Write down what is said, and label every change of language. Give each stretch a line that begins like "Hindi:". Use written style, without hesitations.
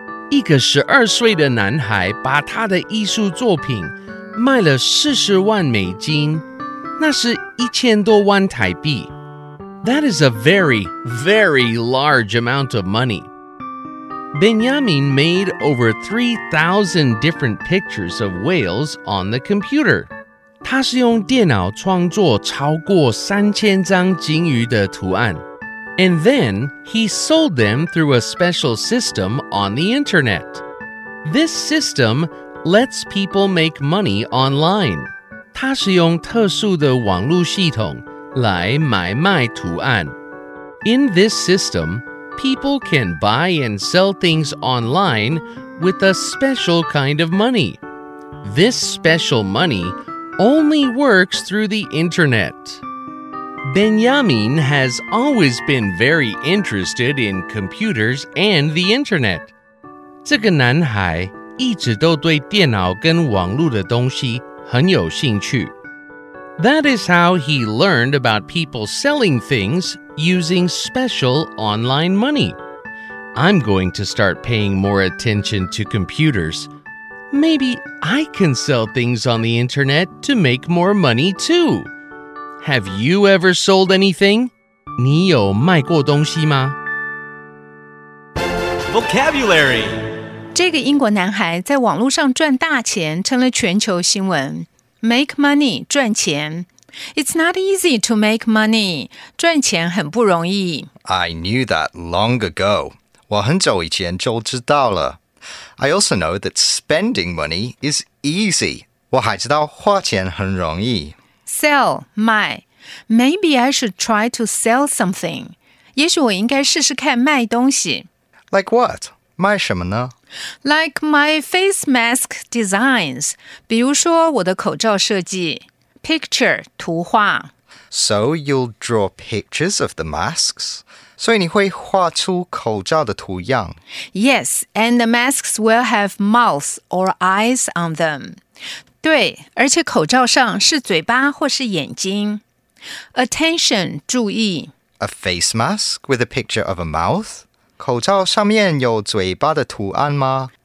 Chinese: 一个12岁的男孩把他的艺术作品卖了40万美金，那是1000多万台币。
English: That is a very, very large amount of money. Benjamin made over 3,000 different pictures of whales on the computer.
Chinese: 他是用电脑创作超过3000张鲸鱼的图案。
English: And then, he sold them through a special system on the internet. This system lets people make money online.
Chinese: 他是用特殊的网络系统来买卖图案。
English: In this system, people can buy and sell things online with a special kind of money. This special money only works through the internet. Benjamin has always been very interested in computers and the internet.
Chinese: 这个男孩一直都对电脑跟网络的东西很有兴趣。
English: That is how he learned about people selling things using special online money. I'm going to start paying more attention to computers. Maybe I can sell things on the internet to make more money too. Have you ever sold anything?
Chinese: 你有卖过东西吗？
English: Vocabulary
Chinese: 这个英国男孩在网络上赚大钱，成了全球新闻。
English: Make money 赚钱。It's not easy to make money
Chinese: 赚钱很不容易。
English: I knew that long ago
Chinese: 我很久以前就知道了。
English: I also know that spending money is easy
Chinese: 我还知道花钱很容易。
English: Sell, 卖 Maybe I should try to sell something.
Chinese: 也许我应该试试看卖东西。
English: Like what?
Chinese: 卖什么呢？
English: Like my face mask designs.
Chinese: 比如说我的口罩设计。
English: Picture, 图画。 So you'll draw pictures of the masks?
Chinese: 所以你会画出口罩的图样。
English: Yes, and the masks will have mouths or eyes on them.
Chinese: 对，而且口罩上是嘴巴或是眼睛。
English: Attention, 注意。 A face mask with a picture of a mouth?
Chinese: 口罩上面有嘴巴的图案吗？